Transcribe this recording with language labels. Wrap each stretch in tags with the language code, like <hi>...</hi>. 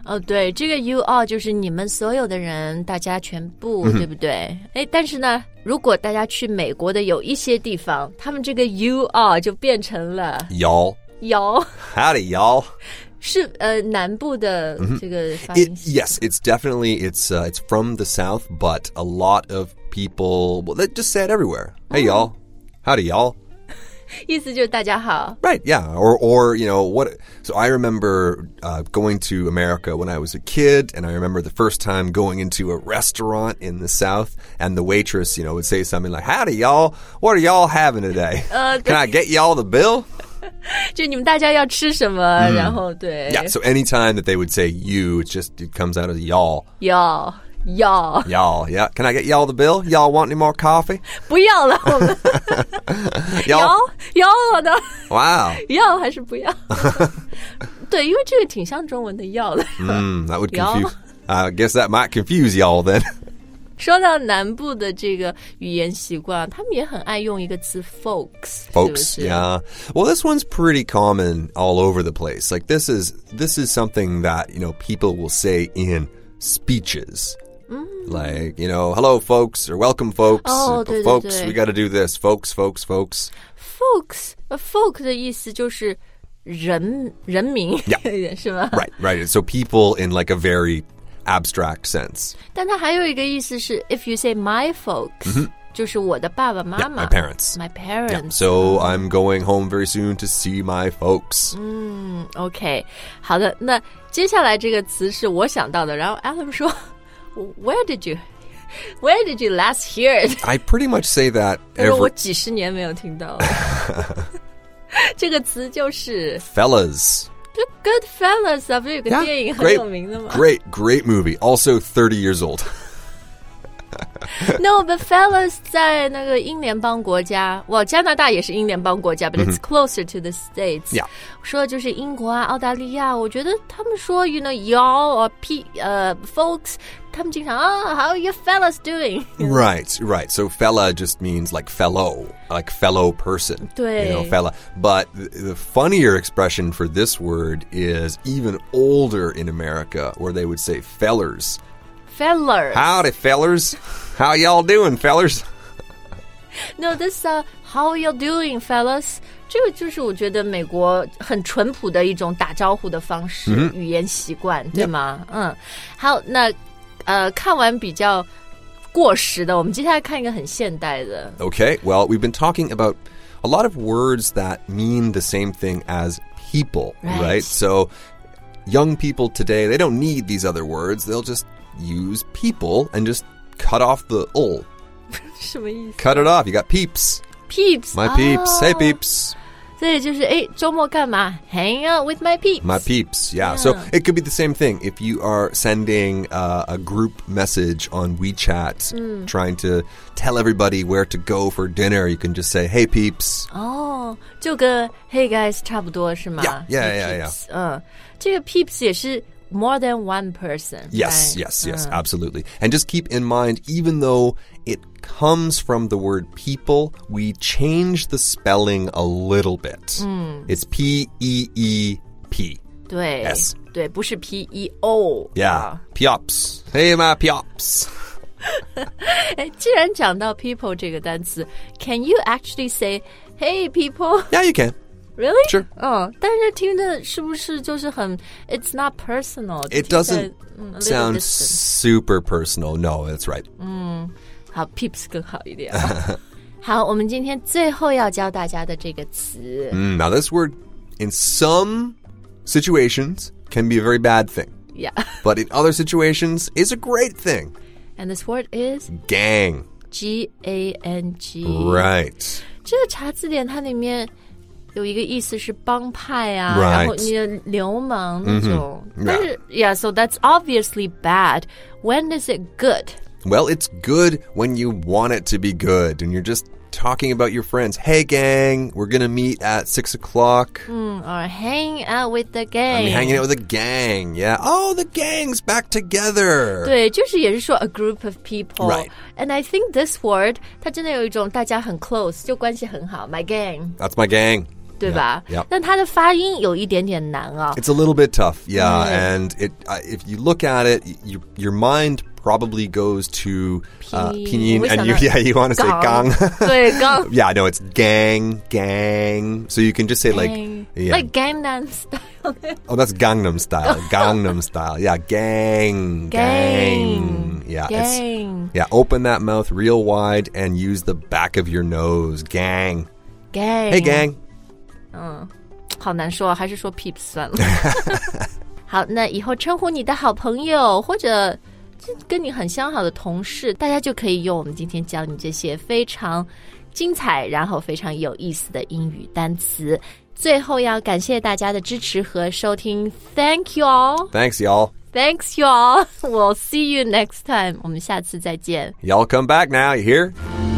<zh>哦、oh, 对这个 you all 就是你们所有的人大家全部、mm-hmm. 对不对哎，但是呢如果大家去美国的有一些地方他们这个 you all 就变成了</zh> <en>Y'all. Y'all. Howdy, y'all.</en> <zh>是、南部的这个发音、mm-hmm.</zh> <en>Yes, it's definitely, it's from the south, but a lot of people, well, they just say it everywhere. Hey,、mm. y'all. Howdy, y'all.</en> <zh>意思就是大家好。</zh> <en>Right, yeah. Or, you know, what, so I remember、going to America when I was a kid, and I remember the first time going into a restaurant in the south, and the waitress, you know, would say something like, Howdy, y'all. What are y'all having today? Can I get y'all the bill?</en> <zh>就你们大家要吃什么、mm. 然后对</zh> <en>Yeah, so anytime that they would say you it just it comes out as y'all Y'all Y'all Y'all, yeah Can I get y'all the bill? Y'all want any more coffee?</en> <zh>不要了</zh> <en>Y'all</en> <zh>Y'all 的</zh> <en>Wow</en> <zh>Y'all 还是不要对因为这个挺像中文的 y'all 的</zh> <en>That would confuse、y'all? I guess that might confuse y'all then</en> <zh>说到南部的这个语言习惯，他们也很爱用一个词 folks.</zh> <en>Folks,</en> <zh>是不是?</zh> <en>Yeah. Well, this one's pretty common all over the place. Like, this is something that, you know, people will say in speeches. Like, you know, hello, folks, or welcome, folks. Oh,</en> <zh>对对对</zh> <en>we got to do this. Folks, folks, folks.</en> <zh>Folks, folk 的意思就是人民、</zh> <en>yeah.</en> <zh>是吗</zh> <en>Right, right. So people in like a very abstract sense.</en> <zh>但它还有一个意思是</zh> <en>if you say my folks,、</en> <zh>mm-hmm. 就是我的爸爸妈妈、</zh> <en>yeah, My parents.、 So I'm going home very soon to see my folks.、</en> <zh>OK, 好的那接下来这个词是我想到的然后 Adam 说</zh> <en>Where did you last hear it? I pretty much say that</en> <zh>every... 我几十年没有听到了。这个词就是...</zh> <en>Fellas. Good Fellas, 不是有个电影很有名的吗? Yeah, great movie. Also 30 years old.</en> <zh>No, but Fellas 在那个英联邦国家 Well, 加拿大也是英联邦国家 But、mm-hmm.</zh> <en>it's closer to the States、 yeah.</en> <zh>说的就是英国啊澳大利亚我觉得他们说</zh> <en>You know, y'all or folks</en> <zh>他们经常</zh> <en>Oh, how are you fellas doing? Right, right So fella just means like fellow Like fellow person</en> <zh>对</zh> <en>You know, fella But the funnier expression for this word Is even older in America Where they would say fellers Fellers. Howdy, fellers. How y'all doing, fellers? No, this, how y'all doing, fellas?</en> <zh>这个就是我觉得美国很淳朴的一种打招呼的方式、mm-hmm. 语言习惯对吗、</zh> <en>yep.</en> <zh>好那看完比较过时的我们接下来看一个很现代的</zh> <en>Okay, well, we've been talking about a lot of words that mean the same thing as people, right? right? So, young people today, they don't need these other words. They'll justuse people and just cut off the ul.</en> <zh>什么意思?</zh> <en>Cut it off. You got peeps. Peeps. My peeps.、 Oh. Hey, peeps.</en> <zh>所以就是哎，周末干嘛?</zh> <en>Hang out with my peeps. My peeps. Yeah. So it could be the same thing. If you are sending a group message on WeChat,、mm. trying to tell everybody where to go for dinner, you can just say, hey, peeps.</en> <zh>Oh, 就跟</zh> <en>hey, guys,</en> <zh>差不多是吗?</zh> <en>Yeah, yeah, yeah. yeah, yeah.</en> <zh>这个 peeps 也是</zh> <en>More than one person. Yes,、 right? yes, yes,、absolutely. And just keep in mind, even though it comes from the word people, we change the spelling a little bit.、 Mm. It's P-E-E-P.</en> <zh>对、</zh> <en>yes.</en> <zh>对不是 P-E-O.</zh> <en>Yeah,、Pops. Hey, my Pops.</en> <zh>既然讲到 people 这个单词</zh> <en>can you actually say, hey, people? Yeah, you can. Really? Sure.</en> <zh>但是听的是不是就是很</zh> <en>It's not personal. It doesn't sound super personal. No, that's right.</en> <zh>好 peeps 更好一点。好我们今天最后要教大家的这个词。</zh> <en>Now this word in some situations can be a very bad thing. Yeah. But in other situations is a great thing. And this word is? Gang. G-A-N-G. Right.</en> <zh>这个查字典它里面有一个意思是帮派啊、</zh> <en>right.</en> <zh>然后你的流氓那种、</zh> <en>mm-hmm. yeah.</en> <zh>但是</zh> <en>yeah, so that's obviously bad. When is it good? Well, it's good when you want it to be good and you're just talking about your friends. Hey, gang, we're going to meet at 6 o'clock.、 Or hang out with the gang. I'm hanging out with the gang, yeah. Oh, the gang's back together.</en> <zh>对就是也是说</zh> <en>a group of people. Right. And I think this word,</en> <zh>它真的有一种大家很 close, 就关系很好</zh> <en>my gang. That's my gang.</en> <zh>对吧</zh> <en>yeah, yeah.</en> <zh>但它的发音有一点点难啊。</zh> <en>It's a little bit tough, yeah.、Mm. And it,、if you look at it, your mind... probably goes to pinyin and you want to say gang. yeah, no, it's gang. So you can just say like,、 yeah. like Gangnam style. oh, that's Gangnam style. Gangnam style. Yeah, gang. Yeah, gang. Yeah, open that mouth real wide and use the back of your nose. Gang. Gang. Hey, gang.</en> <zh>好难说，还是说 peeps 算了。好，那以后称呼你的好朋友或者跟你很相好的同事大家就可以用我们今天教你这些非常精彩然后非常有意思的英语单词最后要感谢大家的支持和收听</zh> <en>Thank you all Thanks y'all Thanks y'all We'll see you next time</en> <zh>我们下次再见</zh> <en>Y'all come back now, you hear?</en>